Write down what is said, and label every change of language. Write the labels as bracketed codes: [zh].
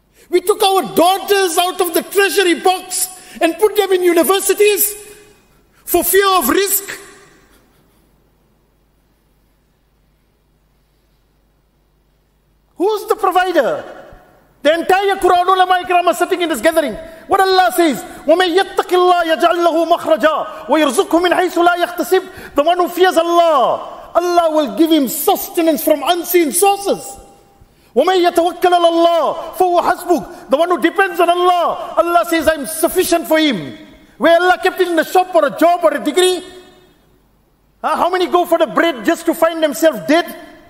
[en] We took our daughters out of the treasury box and put them in universities for fear of risk. Who's the provider? The entire Quran ulama ikram are sitting in this gathering. What Allah says, [ar] وَمَن يَتَّقِ اللَّهِ يَجْعَلْ لَهُ مَخْرَجًا وَيَرْزُقْهُ مِنْ حَيْثُ لَا يَخْتَسِبْ. [en] The one who fears Allah, Allah will give him sustenance from unseen sources. [ar] وَمَن يَتَوَكَّلْ عَلَى اللَّهِ فَهُوَ حَسْبُهُ. [en] The one who depends on Allah, Allah says, I'm sufficient for him. Where Allah kept him in a shop or a job or a degree? How many go for the bread just to find themselves dead?